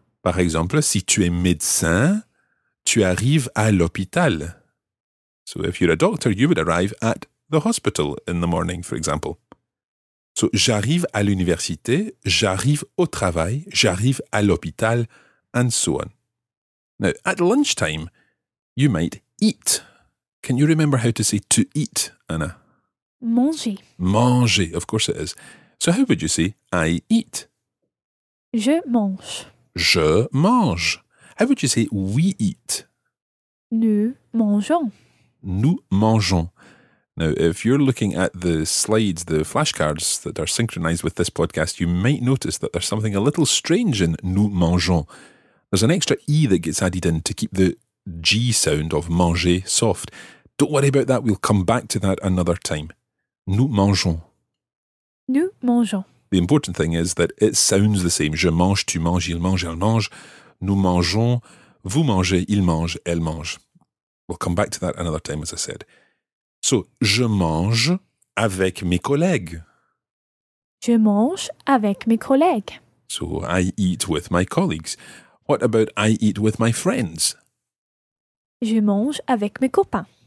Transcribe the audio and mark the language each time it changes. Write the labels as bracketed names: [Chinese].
[French] Par exemple, si tu es médecin, tu arrives à l'hôpital. [English] So if you're a doctor, you would arrive at the hospital in the morning, for example. [French] So j'arrive à l'université, j'arrive au travail, j'arrive à l'hôpital, [English] and so on. Now, at lunchtime, you might eat. Can you remember how to say to eat, Anna? [French] Manger. [English] Manger, of course it is. So how would you say I eat? [French] Je mange. Je mange. [English] How would you say we eat? [French] Nous mangeons. Nous mangeons. [English] Now, if you're looking at the slides, the flashcards that are synchronized with this podcast, you might notice that there's something a little strange in nous mangeons. There's an extra E that gets added in to keep the G sound of manger soft. Don't worry about that. We'll come back to that another time. [French] Nous mangeons. Nous mangeons. [English] The important thing is that it sounds the same. [French] Je mange, tu manges, il mange, elle mange. Nous mangeons, vous mangez, il mange, elle mange. [English] We'll come back to that another time, as I said. [French] So, je mange avec mes collègues. Je mange avec mes collègues. [English] So, I eat with my colleagues. What about I eat with my friends? [French] Je mange avec mes copains.